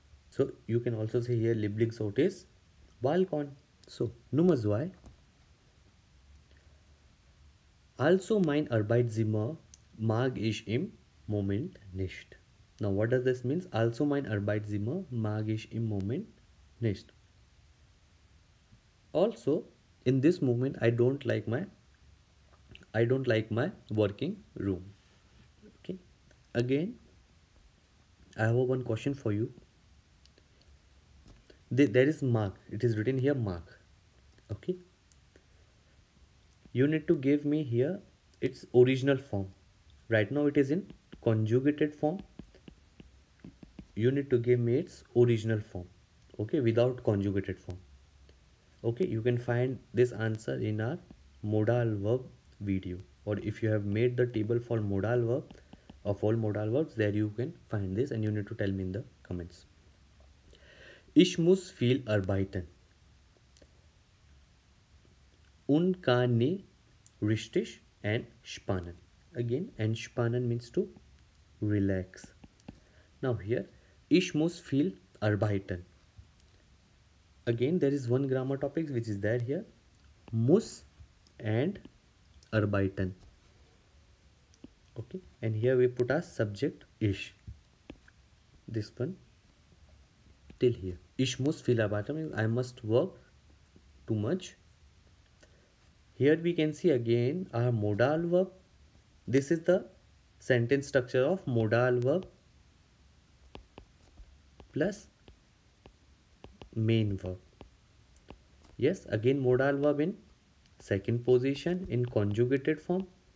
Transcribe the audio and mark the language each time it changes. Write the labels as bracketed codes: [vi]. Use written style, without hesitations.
[en] So you can also say here Lieblingsort is Balkon. [de] So Nummer zwei. Also mein Arbeitszimmer mag ich im Moment nicht. [en] Now what does this mean? [de] Also mein Arbeitszimmer mag ich im Moment nicht. [en] Also in this moment I don't like my working room. Again, I have one question for you. There is mark. It is written here mark. Okay. You need to give me here its original form. Right now it is in conjugated form. You need to give me its original form. Okay. Without conjugated form. Okay. You can find this answer in our modal verb video. Or if you have made the table for modal verb, of all modal verbs, there you can find this and you need to tell me in the comments. [de] Ich muss viel arbeiten und kann nicht richtig entspannen. [en] Again, entspannen means to relax. Now here, [de] ich muss viel arbeiten. [en] Again, there is one grammar topic which is there here. Muss and arbeiten. Okay, and here we put our subject ish. This one till here. [de] Ich muss viel arbeiten [en] means I must work too much. Here we can see again our modal verb. This is the sentence structure of modal verb plus main verb. Yes, again modal verb in second position in conjugated form.